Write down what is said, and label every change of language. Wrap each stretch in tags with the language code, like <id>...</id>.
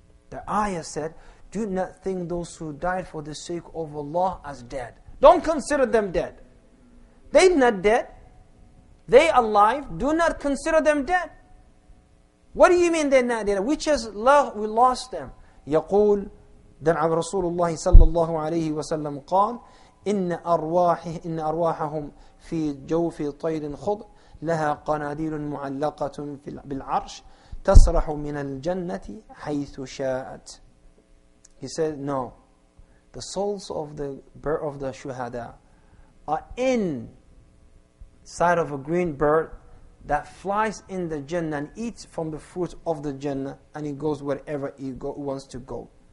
<en>The ayah said, do not think those who died for the sake of Allah as dead. Don't consider them dead. They're not dead. They alive, do not consider them dead. What do you mean they're not dead? Which is love, we lost them.</en> <ar>يقول دمع رسول الله صلى الله عليه وسلم قال إن أرواحهم في جوف طير خضر لها قناديل معلقة بالعرش تسرح من الجنة حيث شاءت.</ar> <en>He said, no, the souls of the bird of the shuhada are in side of a green bird that flies in the Jannah and eats from the fruit of the Jannah, and it goes wherever it wants to go.</en>